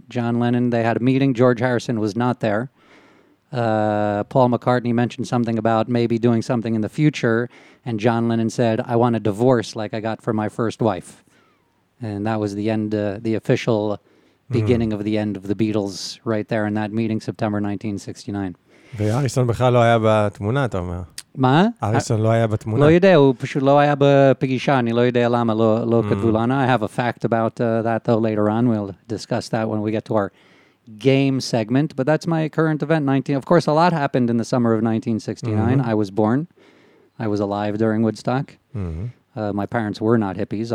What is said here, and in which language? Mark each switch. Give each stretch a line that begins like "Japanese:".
English: John Lennon, they had a meeting. George Harrison was not there. Paul McCartney mentioned something about maybe doing something in the future, and John Lennon said, I want a divorce like I got from my first wife. And that was the end, the official... beginning of the end of the Beatles right there in that meeting, September 1969.
Hebrew: והאריסון בכלל לא היה בתמונה, אתה אומר. מה? אריסון לא היה בתמונה. לא יודע, הוא פשוט לא היה בפגישה, אני לא יודע למה, לא כתבו לנו.
English: I have a fact about that though later on. We'll discuss that when we get to our game segment. But that's my current event. Of course, a lot happened in the summer of 1969. Mm-hmm. I was born. I was alive during Woodstock. Mm-hmm. My parents were not hippies.